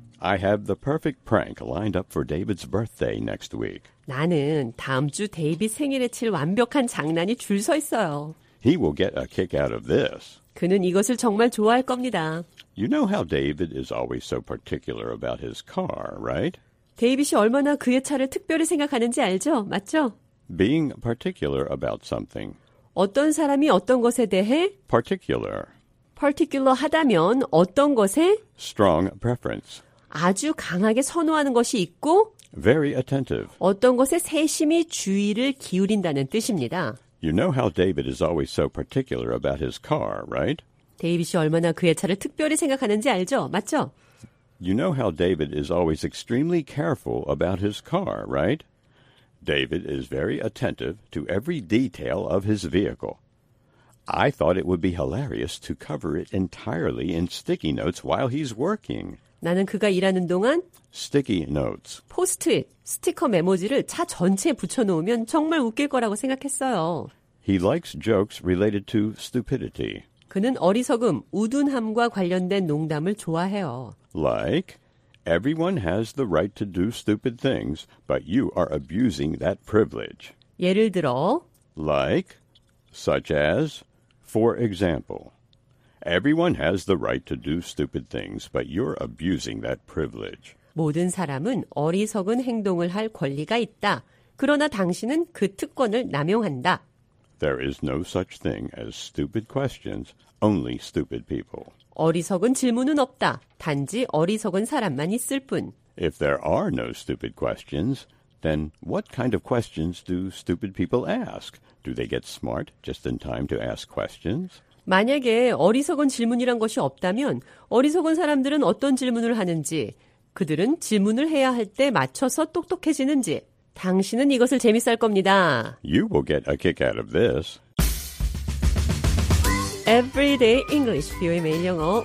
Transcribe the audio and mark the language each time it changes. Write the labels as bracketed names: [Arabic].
[English] I have the perfect prank lined up for David's birthday next week. [Korean] 나는 다음 주 데이빗 생일에 칠 완벽한 장난이 줄 서 있어요. [English] He will get a kick out of this. [Korean] 그는 이것을 정말 좋아할 겁니다. [English] You know how David is always so particular about his car, right? [Korean] 데이빗이 얼마나 그의 차를 특별히 생각하는지 알죠? 맞죠? [English] Being particular about something. [Korean] 어떤 사람이 어떤 것에 대해 [English] particular. [Korean] Particular 하다면 어떤 것에 [English] strong preference. [Korean] 아주 강하게 선호하는 것이 있고 [English] very attentive. [Korean] 어떤 것에 세심히 주의를 기울인다는 뜻입니다. [English] You know how David is always so particular about his car, right? [Korean] 데이빗이 얼마나 그의 차를 특별히 생각하는지 알죠? 맞죠? [English] You know how David is always extremely careful about his car, right? David is very attentive to every detail of his vehicle. I thought it would be hilarious to cover it entirely in sticky notes while he's working. [Korean] 나는 그가 일하는 동안 [English] sticky notes, [Korean] 포스트잇, 스티커 메모지를 차 전체에 붙여놓으면 정말 웃길 거라고 생각했어요. [English] He likes jokes related to stupidity. [Korean] 그는 어리석음, 우둔함과 관련된 농담을 좋아해요. [English] Like, everyone has the right to do stupid things, but you are abusing that privilege. [Korean] 예를 들어, [English] Like, such as, for example, everyone has the right to do stupid things, but you're abusing that privilege. [Korean] 모든 사람은 어리석은 행동을 할 권리가 있다. 그러나 당신은 그 특권을 남용한다. [English] There is no such thing as stupid questions, only stupid people. [Korean] 어리석은 질문은 없다. 단지 어리석은 사람만 있을 뿐. [English] If there are no stupid questions, then what kind of questions do stupid people ask? Do they get smart just in time to ask questions? [Korean] 만약에 어리석은 질문이란 것이 없다면 어리석은 사람들은 어떤 질문을 하는지 그들은 질문을 해야 할 때 맞춰서 똑똑해지는지 당신은 이것을 재밌어 할 겁니다. [English] You will get a kick out of this. Everyday English, [Korean] 비오의 매일 영어.